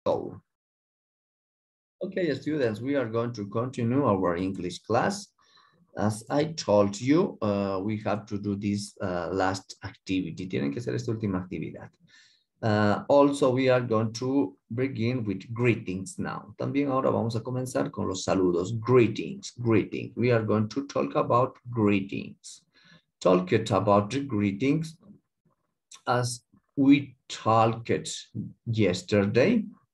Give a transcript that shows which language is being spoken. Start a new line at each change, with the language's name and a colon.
English: Okay, students, we are going to continue our English class. As I told you, we have to do this last activity.
Spanish: Tienen que hacer esta última actividad.
English: Also, we are going to begin with greetings now.
Spanish: También ahora vamos a comenzar con los saludos.
English: Greetings, greeting. We are going to talk about greetings. Talk it about the greetings as we talked yesterday.